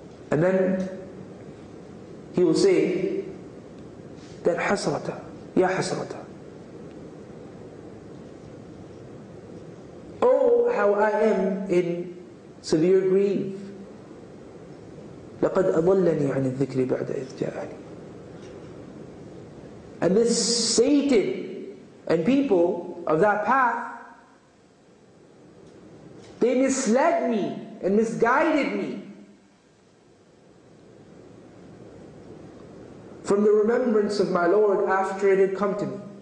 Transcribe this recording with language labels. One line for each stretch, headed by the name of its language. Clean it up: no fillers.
English: And then he will say that, hasrata, ya hasrata. Oh, how I am in severe grief.
Arabic: لقد أضلني عن الذكر بعد إذ جاءني.
English: And this Satan and people of that path, they misled me and misguided me from the remembrance of my Lord after it had come to me.